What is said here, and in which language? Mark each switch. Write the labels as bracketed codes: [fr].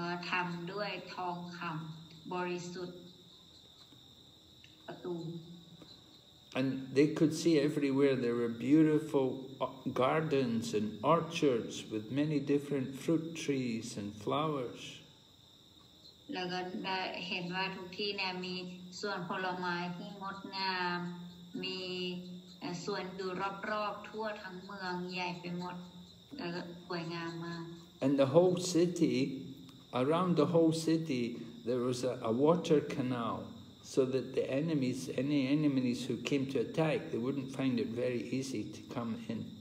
[th] ทำด้วยทองคำบริสุทธิ์ประตู [en] and they could see everywhere there were beautiful gardens and orchards with many different fruit trees and flowers [th] แล้วก็ได้เห็นว่าทุกที่เนี่ยมีสวนผลไม้ที่งดงามมีสวนดูรอบๆทั่วทั้งเมืองใหญ่ไปหมดแล้วก็สวยงามมาก [en] and the whole cityAround the whole city, there was a water canal so that the enemies, any enemies who came to attack, they wouldn't find it very easy to come in.